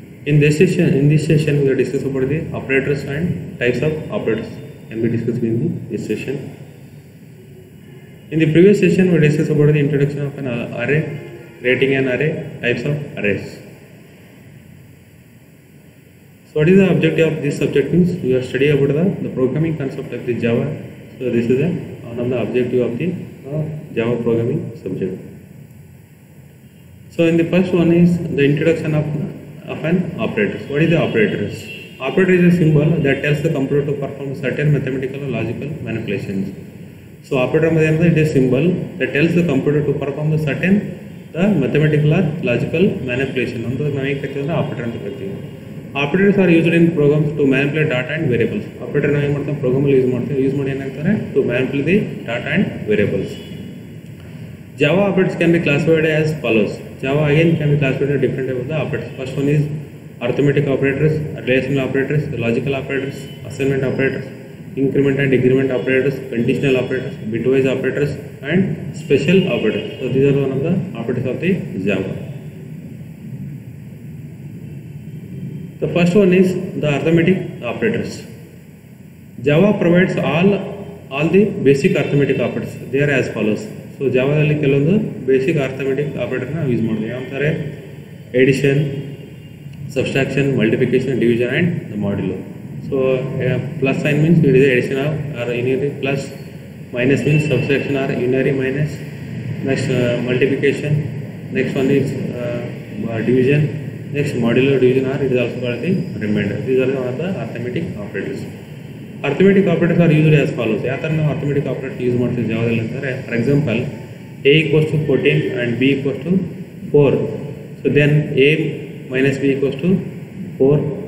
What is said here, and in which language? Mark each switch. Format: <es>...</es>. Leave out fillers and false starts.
<en>In this session we discuss about the operators and types of operators can be discuss in this session. In the previous session we discuss about the introduction of an array, creating an array, types of arrays. So what is the objective of this subject means? We are studying about the programming concept of the Java. So this is one of the objective of the Java programming subject. So in the first one is the introduction of an operator. So what is the operator? Operator is a symbol that tells the computer to perform certain mathematical or logical manipulations. So operator means it is a symbol that tells the computer to perform the mathematical or logical manipulation. And the name is operator. Operators are used in programs to manipulate data and variables.</en> <kn>Operator ನಾವು ಏನು ಮಾಡ್ತೀವಿ ಪ್ರೋಗ್ರಾಮಲ್ಲಿ use ಮಾಡಿ ಏನಾಗ್ತಾರೆ</kn> <en>To manipulate the data and variables. Java operators can be classified as follows. Java again can be classified different type of the operators. First one is arithmetic operators, relational operators, logical operators, assignment operators, increment and decrement operators, conditional operators, bitwise operators and special operators. So these are one of the operators of the Java. The first one is the arithmetic operators. Java provides all the basic arithmetic operators. They are as follows.</en> <kn>So Java ಅಲ್ಲಿ ಕೆಲವೊಂದು</kn> <en>basic arithmetic operator</en> <kn>ನ use ಮಾಡ್ತೀವಿ. ಯಾವ್ತಾರೆ</kn> <en>addition, subtraction, multiplication, division and the modulo. So plus sign means it is addition of or unary plus, minus means subtraction or unary minus, next multiplication, next one is division. Next modular division or it is also called the reminder. These are of the arithmetic operators. Arithmetic operators are used as follows.</en> <kn>ಯಾವ ಥರ ನಾವು arithmetic operator use ಮಾಡ್ತೀವಿ ಜಾವದಲ್ಲಿ ಅಂತಾರೆ.</kn> <en>For example A equals to 14 and B equals to 4. So then A minus B equals to 4.</en>